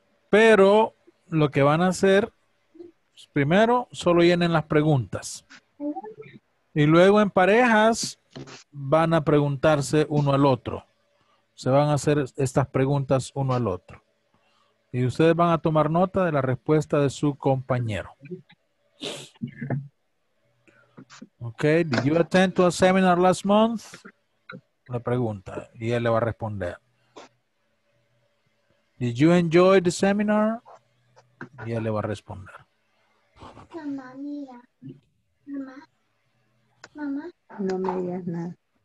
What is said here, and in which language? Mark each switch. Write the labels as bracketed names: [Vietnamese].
[Spanish] Pero lo que van a hacer, primero, solo llenen las preguntas. Y luego en parejas van a preguntarse uno al otro. Se van a hacer estas preguntas uno al otro. Y ustedes van a tomar nota de la respuesta de su compañero. [English] Ok, did you attend to a seminar last month? [Spanish] Le pregunta y él le va a responder. [English] Did you enjoy the seminar? [Spanish] Y él le va a responder. Mamá, mira. Mamá. Mamá. No me digas nada.